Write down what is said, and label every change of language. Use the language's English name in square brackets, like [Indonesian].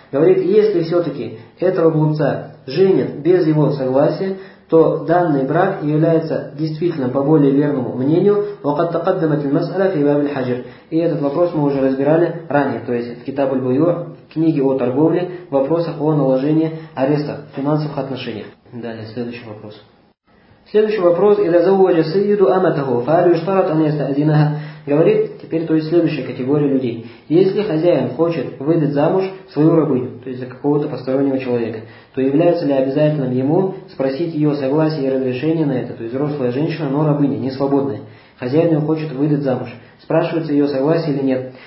[Russian] Говорит, если все-таки этого глупца женят без его согласия, то данный брак является действительно по более верному мнению, [Arabic] وقد تقدمت المسألة في باب الحجر. [Russian] И этот вопрос мы уже разбирали ранее, то есть в Китаб-уль-Буйу, книге о торговле, в вопросах о наложении ареста в финансовых отношениях. Далее, следующий вопрос. [Arabic] إذا زوج السيد أمته فهل يشترط أن يستأذنها. [Russian] Говорит, теперь, то есть следующая категория людей. Если хозяин хочет выдать замуж свою рабыню, то есть за какого-то постороннего человека, то является ли обязательным ему спросить ее согласие и разрешение на это, то есть взрослая женщина, но рабыня, не свободная. Хозяин ее хочет выдать замуж. Спрашивается ее согласие или нет.